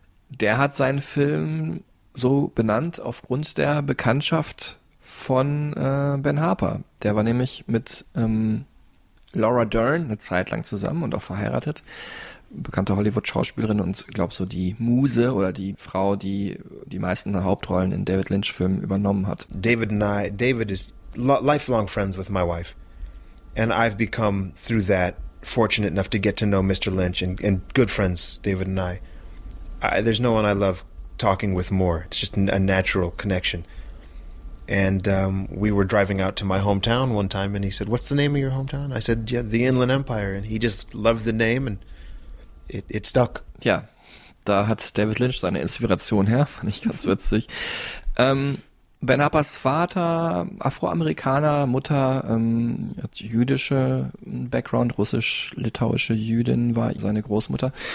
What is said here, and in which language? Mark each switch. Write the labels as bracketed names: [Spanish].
[German] der hat seinen Film so benannt aufgrund der Bekanntschaft von Ben Harper, der war nämlich mit Laura Dern eine Zeit lang zusammen und auch verheiratet. Bekannte Hollywood-Schauspielerin und glaube so die Muse oder die Frau, die die meisten Hauptrollen in David Lynch-Filmen übernommen hat. [English] David is lifelong friends with my wife. And I've become through that fortunate enough to get to know Mr. Lynch and good friends, David and I. There's no one I love talking with more. It's just a natural connection. And we were driving out to my hometown one time and he said, what's the name of your hometown? I said, yeah, the Inland Empire. And he just loved the name and it stuck. [German] Ja, da hat David Lynch seine Inspiration her, fand ich ganz witzig. Ben Harpers Vater, Afroamerikaner, Mutter, hat jüdische Background, russisch-litauische Jüdin war seine Großmutter.